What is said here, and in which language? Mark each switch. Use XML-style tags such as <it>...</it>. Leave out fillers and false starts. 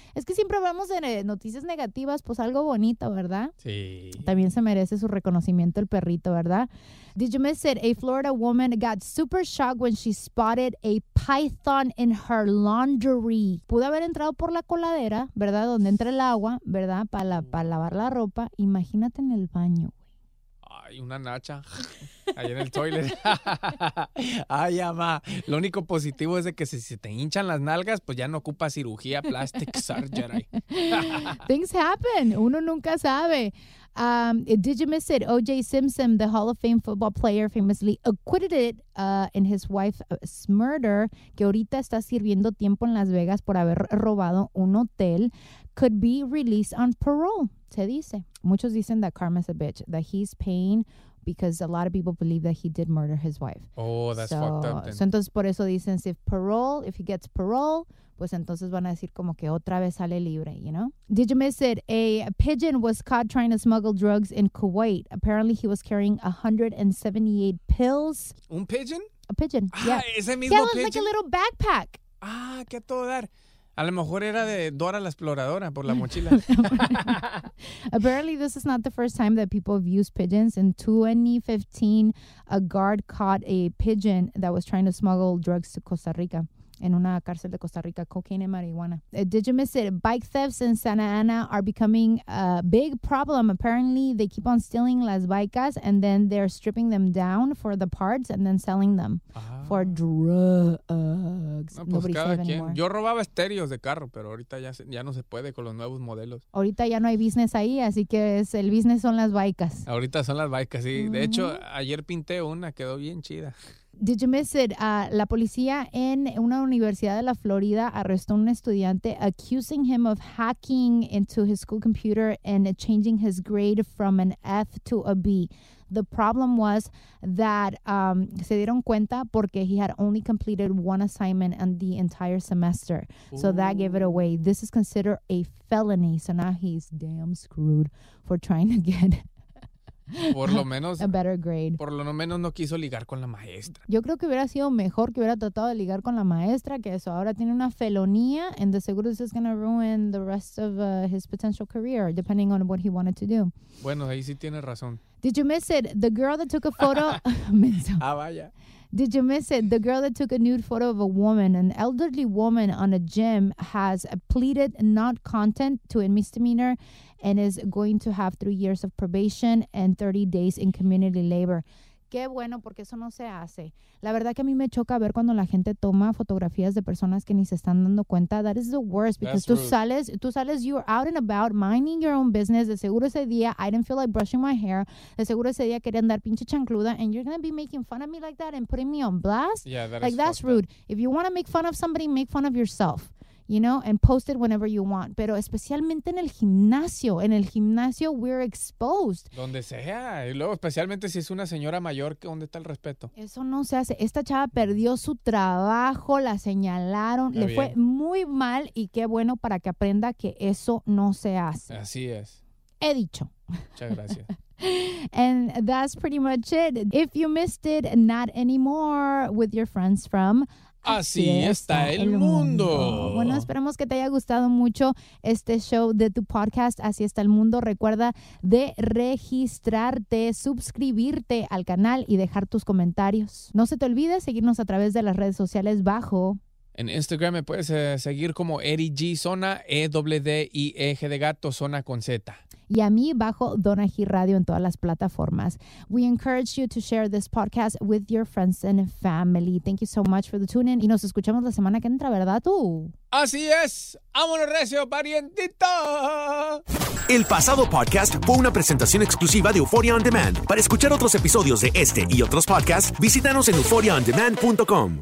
<es>Es que siempre hablamos de noticias negativas, pues algo bonito, ¿verdad? Sí. También se merece su reconocimiento el perrito, ¿verdad?</es> <en>Did you miss it? A Florida woman got super shocked when she spotted a python in her laundry.</en> <es>Pudo haber entrado por la coladera, ¿verdad? Donde entra el agua, ¿verdad? Para lavar la ropa. Imagínate en el baño. Y una nacha ahí en el toilet. Ay, mamá. Lo único positivo es de que si se te hinchan las nalgas, pues ya no ocupa cirugía,</es> <en>plastic surgery. Things happen.</en> <es>Uno nunca sabe.</es> <en>Did you miss it? O.J. Simpson, the Hall of Fame football player, famously acquitted it in his wife's murder,</en> <es>que ahorita está sirviendo tiempo en Las Vegas por haber robado un hotel,</es> <en>could be released on parole.</en> <es>Se dice. Muchos dicen</es> <en>that karma's a bitch, that he's paying because a lot of people believe that he did murder his wife. Oh, that's so fucked up. Then.</en> <es>So entonces por eso dicen,</es> <en>if he gets parole,</en> <es>pues entonces van a decir como que otra vez sale libre,</es> <en>you know? Did you miss it? A pigeon was caught trying to smuggle drugs in Kuwait. Apparently he was carrying 178 pills.</en> <es>¿Un pigeon?</es> <en>A pigeon, yeah.</en> <es>¿Ese mismo pigeon?</es> <en>Yeah, it was like a little backpack.</en> <es>Ah, qué todo dar. A lo mejor era de Dora la Exploradora por la mochila.</es> <en>Apparently, this is not the first time that people have used pigeons. In 2015, a guard caught a pigeon that was trying to smuggle drugs to Costa Rica.</en> <es>En una cárcel de Costa Rica, cocaine y marihuana.</es> <en>Did you miss it? Bike thefts in Santa Ana are becoming a big problem. Apparently, they keep on stealing las bicas and then they're stripping them down for the parts and then selling them for drugs.</en> <es>No, pues</es> <en>nobody's</en> <es>cada quien.</es> <en>Anymore.</en> <es>Yo robaba estéreos de carro, pero ahorita ya no se puede con los nuevos modelos. Ahorita ya no hay business ahí, así que el business son las bicas. Ahorita son las bicas, sí. Uh-huh. De hecho, ayer pinté una, quedó bien chida.</es> <en>Did you miss it?</en> <es>La policía en una universidad de la Florida arrestó a un estudiante</es> <en>accusing him of hacking into his school computer and changing his grade from an F to a B. The problem was that</en> <es>se dieron cuenta porque</es> <en>he had only completed one assignment in the entire semester. Ooh. So that gave it away. This is considered a felony. So now he's damn screwed for trying to get</en> <es>Por lo menos.</es> <en>A better grade.</en> <es>Por lo menos no quiso ligar con la maestra. Yo creo que hubiera sido mejor que hubiera tratado de ligar con la maestra que eso. Ahora tiene una felonía,</es> <en>and the</en> <es>seguro</es> <en>this is going to ruin the rest of his potential career, depending on what he wanted to do.</en> <es>Bueno, ahí sí tiene razón.</es> <en>Did you miss it? The girl that took a photo.</en> <es>Ah, vaya.</es> <en>Did you miss it? The girl that took a nude photo of a woman, an elderly woman on a gym, has pleaded not content to a misdemeanor and is going to have 3 years of probation and 30 days in community labor.</en> <es>Qué bueno, porque eso no se hace. La verdad que a mí me choca ver cuando la gente toma fotografías de personas que ni se están dando cuenta.</es> <en>That is the worst, because</en> <es>tú sales,</es> <en>you're out and about minding your own business.</en> <es>De seguro ese día,</es> <en>I didn't feel like brushing my hair.</en> <es>De seguro ese día quería andar pinche chancluda,</es> <en>and you're going to be making fun of me like that and putting me on blast? Yeah, that like, is that's rude. That. If you want to make fun of somebody, make fun of yourself. You know, and post it whenever you want.</en> <es>Pero especialmente en el gimnasio. En el gimnasio,</es> <en>we're exposed.</en> <es>Donde sea. Y luego, especialmente si es una señora mayor, ¿dónde está el respeto? Eso no se hace. Esta chava perdió su trabajo, la señalaron. Está le bien. Fue muy mal y qué bueno para que aprenda que eso no se hace. Así es. He dicho. Muchas gracias.</es> <en>And that's pretty much it. If you missed it, not anymore with your friends from...</en> <es>Así está el mundo. Bueno, esperamos que te haya gustado mucho este show de tu podcast, Así está el mundo. Recuerda de registrarte, suscribirte al canal y dejar tus comentarios. No se te olvide seguirnos a través de las redes sociales bajo... En Instagram me puedes seguir como Eri G Zona, E-D-D-I-E-G de gato, Zona con Z. Y a mí bajo Donna G Radio en todas las plataformas.</es> <en>We encourage you to share this podcast with your friends and family. Thank you so much for the tune in.</en> <es>Y nos escuchamos la semana que entra, ¿verdad tú? Así es. ¡Vámonos recio, parientito! El pasado podcast fue una presentación exclusiva de Euphoria On Demand. Para escuchar otros episodios de este y otros podcasts, visítanos en euphoriaondemand.com.</es>